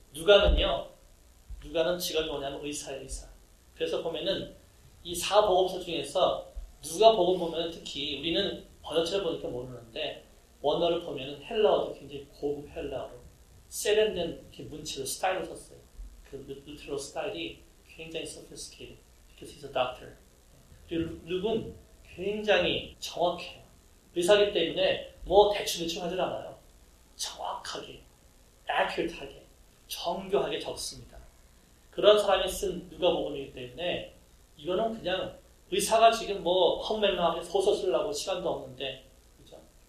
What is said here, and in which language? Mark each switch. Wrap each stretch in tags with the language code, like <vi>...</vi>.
<ko>누가는요, 누가는 직업이 뭐냐면 의사예요, 의사. 그래서 보면은 이 사복음서 중에서 누가 복음 보면 특히 우리는 번역체를 보니까 모르는데 원어를 보면은 헬라어도 굉장히 고급 헬라어로 세련된 문체로 스타일로 썼어요. 그 루트로 스타일이 굉장히</ko> <en>sophisticated because he's a doctor.</en> <ko>그리고 룩은 굉장히 정확해요. 의사기 때문에 뭐 대충대충 하질 않아요. 정확하게, accurate하게, 정교하게 적습니다. 그런 사람이 쓴 누가복음이기 때문에 이거는 그냥 의사가 지금 뭐 헛맥락하게 소설 쓰려고 시간도 없는데 그렇죠?</ko>